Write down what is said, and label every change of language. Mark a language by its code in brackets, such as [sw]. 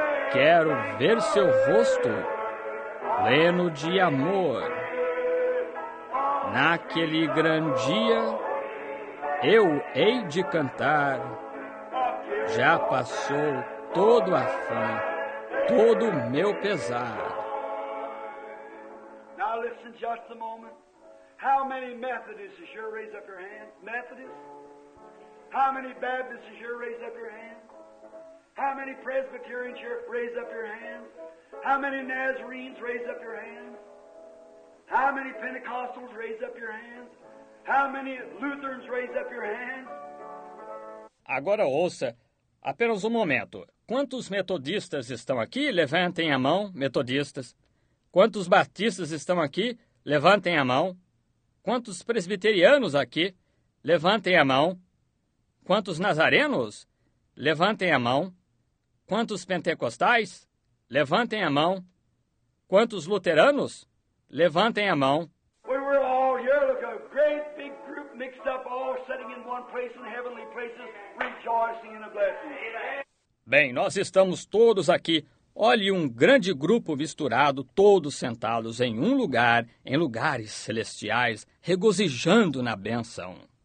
[pt] Quero ver seu rosto pleno de amor. Naquele grande dia, eu hei de cantar. Já passou todo o afã, todo o meu pesar. [en] Now listen just a moment. How many Methodists is your raise up your hand? Methodists? How many Baptists is your raise up your hand? How many Presbyterians your raise up your hand? How many Nazarenes raise up your hand? How many Pentecostals raise up your hand? How many Lutherans raise up your hand? [pt] Agora ouça, apenas um momento. Quantos metodistas estão aqui? Levantem a mão, metodistas. Quantos batistas estão aqui? Levantem a mão. Quantos presbiterianos aqui? Levantem a mão. Quantos nazarenos? Levantem a mão. Quantos pentecostais? Levantem a mão. Quantos luteranos? Levantem a mão. [en] We were all here, look, a great big group mixed up, all sitting in one place in heavenly places, rejoicing in a blessing. [pt] Bem, nós estamos todos aqui. Olhe um grande grupo misturado, todos sentados em um lugar, em lugares celestiais, regozijando na benção.